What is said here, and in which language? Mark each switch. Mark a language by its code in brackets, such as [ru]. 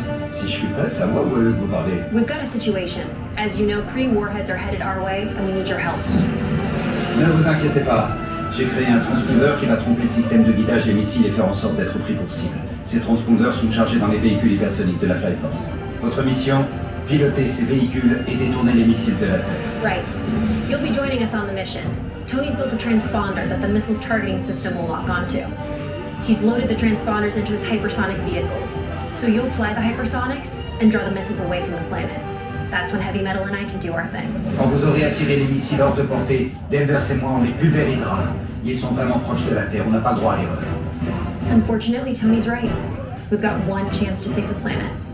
[fr] Si je suis prêt, c'est à moi ou à eux de vous parler. [en] We've got a situation. As you know, Kree warheads are headed our way, and we need your help. [fr] Ne vous inquiétez pas. J'ai créé un transpondeur qui va tromper le système de guidage des missiles et faire en sorte d'être pris pour cible. Ces transpondeurs sont chargés dans les véhicules hypersoniques de la Flight Force. Votre mission, piloter ces véhicules et détourner les missiles de la Terre. [en] Right. You'll be joining us on the mission. Tony's built a transponder that the missile's targeting system will lock onto. He's loaded the transponders into his hypersonic vehicles. So you'll fly the hypersonics and draw the missiles away from the planet. That's when Heavy Metal and I can do our thing. [fr] Quand vous aurez attiré les missiles hors de portée, Denvers et moi, on les pulvérisera. Ils sont vraiment proches de la Terre, on n'a pas le droit à l'erreur. [en] Unfortunately, Tony's right. We've got one chance to save the planet.